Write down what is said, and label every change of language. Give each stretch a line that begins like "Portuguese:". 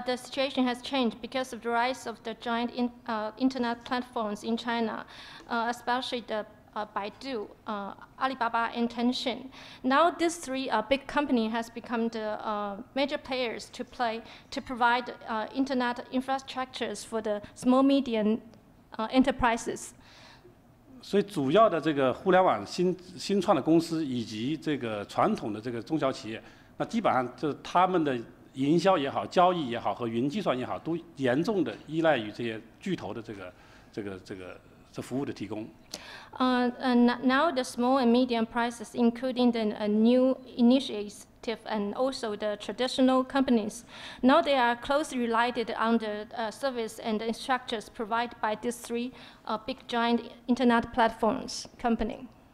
English: Now the situation has changed because of the rise of the giant internet platforms in China, especially the Baidu, Alibaba, and Tencent. Now these three big companies has become the major players to provide internet infrastructures for the small medium enterprises.
Chinese: 所以主要的这个互联网新创的公司以及这个传统的这个中小企业，那基本上就是他们的营销也好、交易也好和云计算也好，都严重的依赖于这些巨头的这个服务的提供。
English: Now the small and medium prices, including the new initiatives and also the traditional companies, now they are closely related on the service and structures provided by these three big giant internet platforms company.